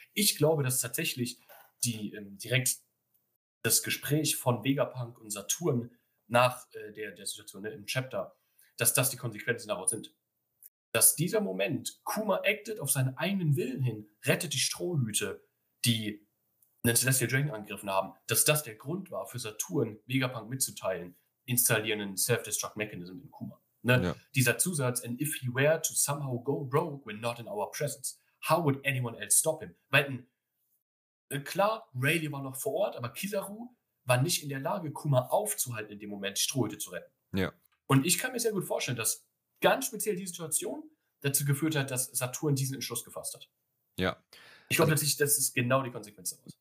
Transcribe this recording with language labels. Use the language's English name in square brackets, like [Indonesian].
[German] Ich glaube, dass tatsächlich direkt das Gespräch von Vegapunk und Saturn nach der Situation, ne, im Chapter, dass das die Konsequenzen daraus sind. Dass dieser Moment, Kuma acted auf seinen eigenen Willen hin, rettet die Strohhüte, die einen Celestial Dragon angegriffen haben, dass das der Grund war, für Saturn Vegapunk mitzuteilen, installieren einen Self-Destruct-Mechanism in Kuma. Ne? Ja. Dieser Zusatz, [English] and if he were to somehow go rogue when not in our presence, how would anyone else stop him? [German] Weil, klar, Rayleigh war noch vor Ort, aber Kizaru war nicht in der Lage, Kuma aufzuhalten in dem Moment, die Strohhüte zu retten. Ja. Und ich kann mir sehr gut vorstellen, dass ganz speziell die Situation dazu geführt hat, dass Saturn diesen Entschluss gefasst hat. Ja. Ich glaube natürlich, das ist genau die Konsequenz daraus.